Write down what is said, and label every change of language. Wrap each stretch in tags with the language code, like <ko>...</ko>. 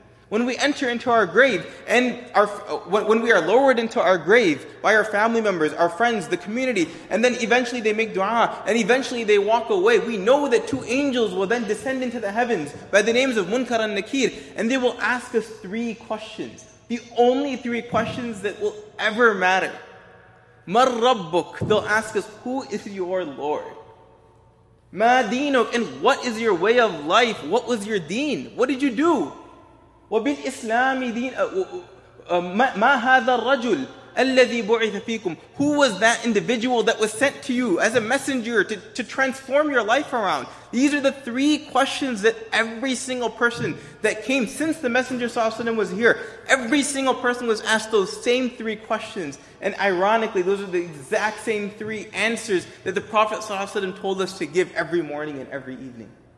<en>When we enter into our grave, and when we are lowered into our grave by our family members, our friends, the community, and then eventually they make dua, and eventually they walk away, we know that two angels will then descend into the heavens by the names of Munkar and Nakir, and they will ask us three questions. The only three questions that will ever matter.</en> <ar>مَا رَبُّكْ</ar> <en>They'll ask us, who is your Lord?</en> <ar>مَا دِينُكْ</ar> <en>And what is your way of life? What was your deen? What did you do?</en> <ar>وبالإسلام دين ما هذا الرجل الذي بعث فيكم.</ar> <en>Who was that individual that was sent to you as a messenger to transform your life around? These are the three questions that every single person that came since the Messenger Sallallahu Alaihi Wasallam was here, every single person was asked those same three questions. And ironically, those are the exact same three answers that the Prophet Sallallahu Alaihi Wasallam told us to give every morning and every evening.</en>